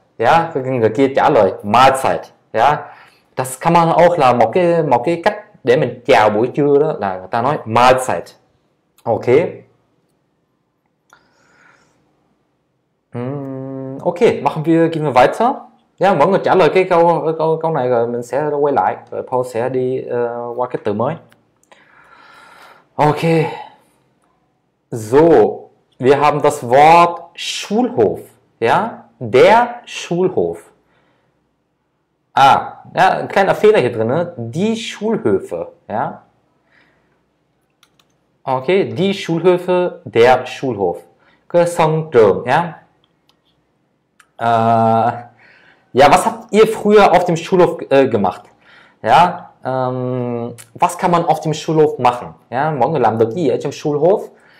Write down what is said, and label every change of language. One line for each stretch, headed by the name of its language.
Vietnamese: Ja, người kia trả lời Mahlzeit. Ja,
German: das kann man auch
Vietnamese: là một cái cách để mình chào buổi trưa đó là người ta nói Mahlzeit. Ok. Ok,
German: gehen wir weiter.
Vietnamese: Ja, mọi người trả lời cái câu này rồi mình sẽ quay lại, rồi Paul sẽ đi qua cái từ mới. Ok.
German: So, wir haben das Wort Schulhof. Ja, der Schulhof. Ah, ja, ein kleiner Fehler hier drin, ne? Die Schulhöfe. Ja. Okay, die Schulhöfe, der Schulhof. Gesangdom, ja. Ja, was habt ihr früher auf dem Schulhof gemacht? Ja, was kann man auf dem Schulhof machen?
Vietnamese: Ja, morgen làm được gì ở trong Schulhof?